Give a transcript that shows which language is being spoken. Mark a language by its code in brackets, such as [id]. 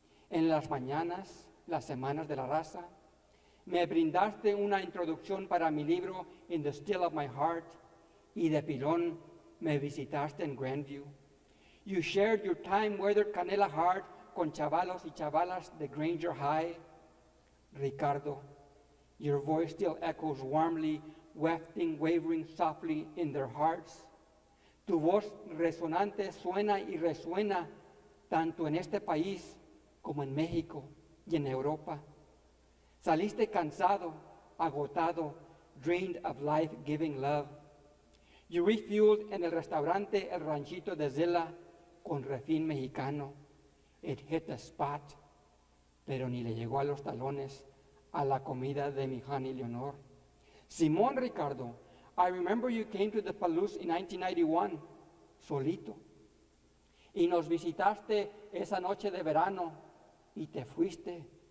[es] En las mañanas, las semanas de la raza, me brindaste una introducción para mi libro In the Still of My Heart, y de pilón me visitaste en Grandview. [en] You shared your time-weathered canela heart [es] con chavalos y chavalas de Granger High. [en] Ricardo, your voice still echoes warmly, wafting, wavering softly in their hearts. [es] Tu voz resonante suena y resuena tanto en este país como en México y en Europa. Saliste cansado, agotado, [en] drained of life-giving love. You refueled [es] en el restaurante El Ranchito de Zilla con refín mexicano. [en] It hit the spot, [es] pero ni le llegó a los talones a la comida de mi honey Leonor. [en] Simón Ricardo, I remember you came to the Palouse in 1991, solito. [es] Y nos visitaste esa noche de verano y te fuiste.